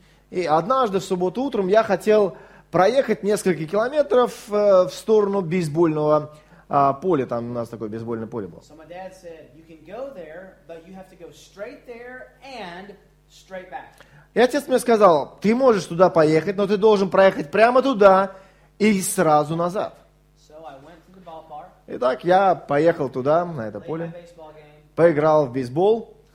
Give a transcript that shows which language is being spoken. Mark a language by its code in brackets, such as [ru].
[ru] И однажды в субботу утром я хотел проехать несколько километров в сторону бейсбольного поля. Там у нас такое бейсбольное поле было. [en] So my dad said, you can go there, but you have to go straight there and straight back. [ru] И отец мне сказал, ты можешь туда поехать, но ты должен проехать прямо туда и сразу назад. [en] So I went to the ballpark. [ru] Итак, я поехал туда, на это поле, поиграл в бейсбол.